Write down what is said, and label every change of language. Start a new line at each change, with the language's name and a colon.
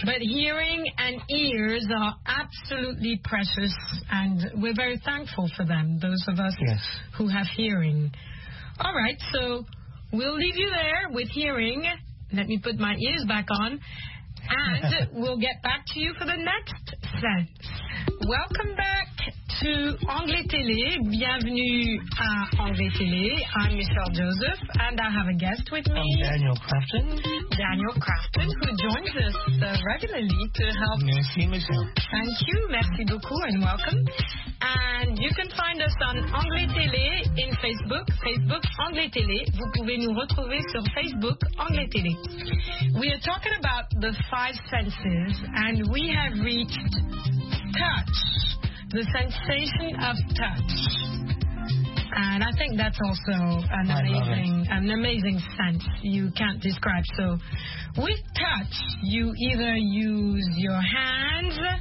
English: But hearing and ears are absolutely precious, and we're very thankful for them, those of us yes. who have hearing. All right, so we'll leave you there with hearing. Let me put my ears back on, and we'll get back to you for the next set. Welcome back to Anglais Télé.
French: Bienvenue à Anglais Télé.
English: I'm Michelle Joseph, and I have a guest with me. I'm Daniel Crafton. Daniel Crafton, who joins us regularly to help.
French: Merci, Michelle.
English: Thank you.
French: Merci beaucoup,
English: and welcome. And you can find us on Anglais Télé in Facebook. Facebook Anglais Télé.
French: Vous pouvez nous retrouver sur Facebook Anglais Télé.
English: We are talking about the five senses, and we have reached touch, the sensation of touch. And I think that's also an amazing sense you can't describe. So with touch, you either use your hands